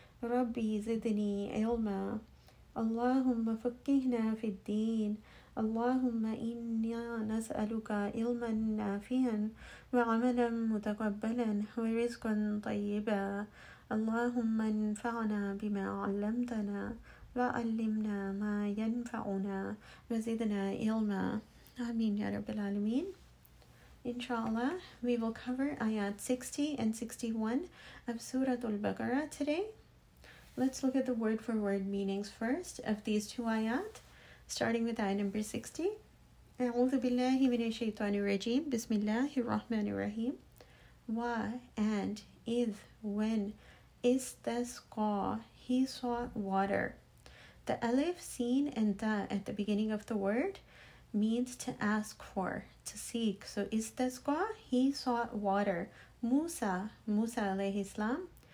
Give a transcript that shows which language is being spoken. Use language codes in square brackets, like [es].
[ar] ربي زدني علما، اللهم فقهنا في الدين، اللهم إنا نسألك علما نافعا وعملا متقبلا ورزقا طيبا. اللهم انفعنا بما علمتنا وعلمنا ما ينفعنا وزدنا علما. آمين يا رب العالمين. [en] Inshallah, we will cover ayat 60 and 61 of Surah Al-Baqarah today. Let's look at the word-for-word meanings first of these two ayat. Starting with ayah number 60. [ar] أعوذ بالله من الشيطان الرجيم. بسم الله الرحمن الرحيم. [en] Wa, and, إذ, when, استسقى, he sought water. The alif, seen, and the at the beginning of the word means to ask for, to seek. So استسقى, he sought water. Musa alayhi salam.